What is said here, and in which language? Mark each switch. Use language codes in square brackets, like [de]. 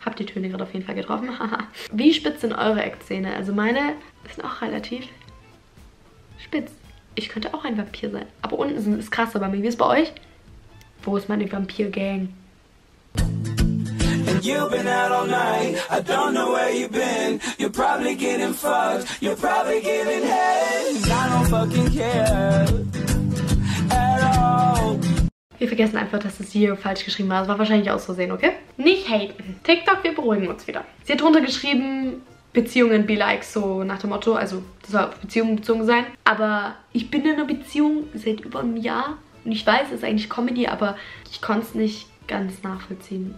[de] Hab die Töne gerade auf jeden Fall getroffen. Wie spitz sind eure Eckzähne? Also meine sind auch relativ spitz. Ich könnte auch ein Vampir sein. Aber unten ist krasser bei mir. Wie ist es bei euch? Wo ist meine Vampir-Gang? [en] You've been out all night, I don't know where you've been. You're probably getting fucked, you're probably giving head. I don't fucking care at all. [de] Wir vergessen einfach, dass das Video falsch geschrieben war. Das war wahrscheinlich aus Versehen, okay? Nicht haten. TikTok, wir beruhigen uns wieder. Sie hat drunter geschrieben, Beziehungen be like, so nach dem Motto. Also, das soll auf Beziehungen bezogen sein. Aber ich bin in einer Beziehung seit über einem Jahr. Und ich weiß, es ist eigentlich Comedy, aber ich konnte es nicht ganz nachvollziehen.